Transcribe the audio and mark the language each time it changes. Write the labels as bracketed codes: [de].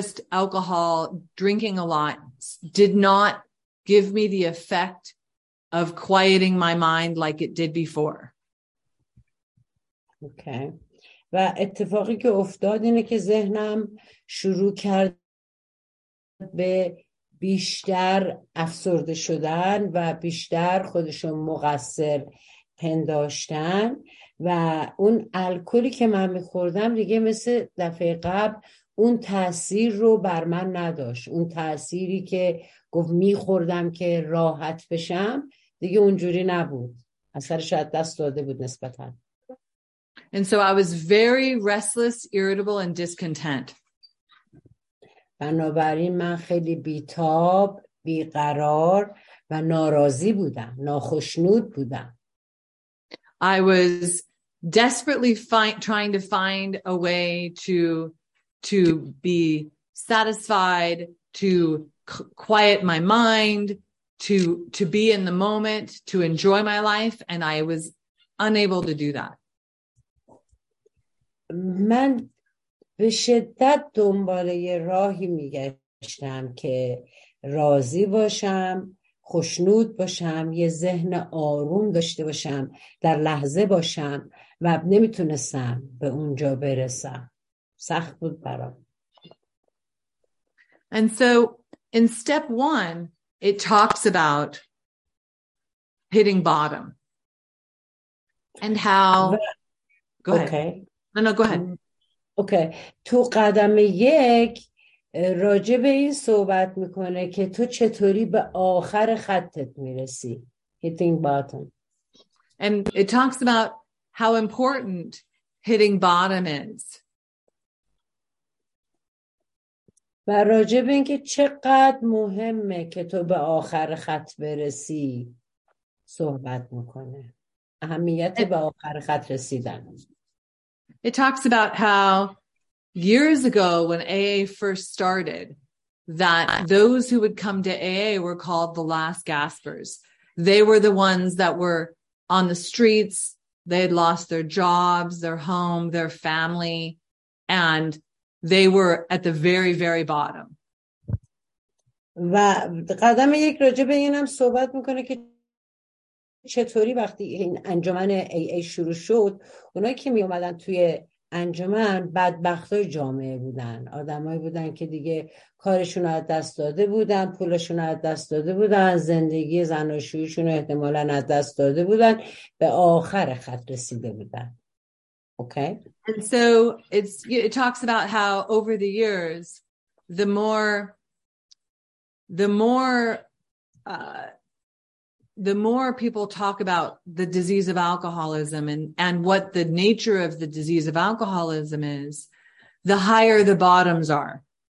[en] Alcohol, drinking a lot did not give me the effect of quieting my mind like it did before. Okay. [fa] و اتفاقی که افتاد اینه که ذهنم شروع کرد به بیشتر افسرده شدن و بیشتر خودشو مقصر پنداشتن، و اون الکلی که من میخوردم دیگه مثل دفعه قبل اون تأثیر رو بر من نداشت. اون تأثیری که گفت میخوردم که راحت بشم دیگه اونجوری نبود، اثرش از دست داده بود نسبتاً. [en] And so I was very restless, irritable, and discontent. [fa] بنابراین من خیلی بیتاب، بیقرار و ناراضی بودم، ناخشنود بودم. [en] I was desperately trying to find a way to be satisfied, to quiet my mind, to be in the moment, to enjoy my life, and I was unable to do that. [fa] من به شدت دنبال یه راهی میگشتم که راضی باشم، خوشنود باشم، یه ذهن آروم داشته باشم، در لحظه باشم، و نمیتونستم به اونجا برسم. سخت بود برام. [en] And so in step one it talks about hitting bottom and how go ahead. Okay. No, go ahead. Okay. [fa] تو قدم یک راجع به این صحبت میکنه که تو چطوری به آخر خطت میرسی. [en] Hitting bottom. And it talks about how important hitting bottom is. [fa] و راجع به این که چقدر مهمه که تو به آخر خط برسی صحبت میکنه. اهمیت به آخر خط رسیدن. [en] It talks about how years ago when AA first started, that those who would come to AA were called the last gaspers. They were the ones that were on the streets. They had lost their jobs, their home, their family, and they were at the very, very bottom. [fa] و قدم یک راجع به اینم صحبت میکنه که چطوری وقتی این انجمن AA شروع شد، اونایی که می اومدن توی انجمن بدبختای جامعه بودن، آدمایی بودن که دیگه کارشون از دست داده بودن، پولشون از دست داده بودن، زندگی زناشویشون احتمالا از دست داده بودن، به آخر خط رسیده بودن. [en] Okay. And so it talks about how over the years, the more people talk about the disease of alcoholism and what the nature of the disease of alcoholism is, the higher the bottoms are.